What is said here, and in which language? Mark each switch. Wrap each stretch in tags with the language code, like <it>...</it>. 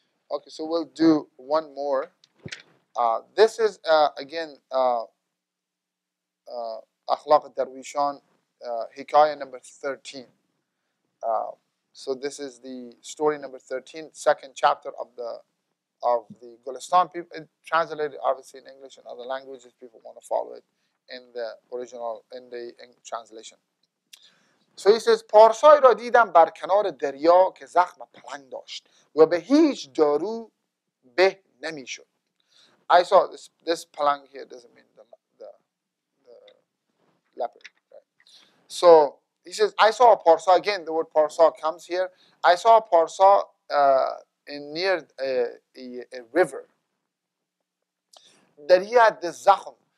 <en>Okay, so we'll do one more. This is, again, Akhlaq Darwishan, Hikayah number 13. So this is the story number 13, second chapter of the Gulistan people. It translated, obviously, in English and other languages. People want to follow it in the original, in translation. So he says,</en> <fa>پارسای را دیدم بر کنار دریا که زخم پلنگ داشت و به هیچ دارو به نمی شد.</fa> <en>I saw this palang here doesn't mean the leopard. Right? So he says, I saw a parsa. Again, the word parsa comes here. I saw a parsa near a river that he had this zakhm.</en>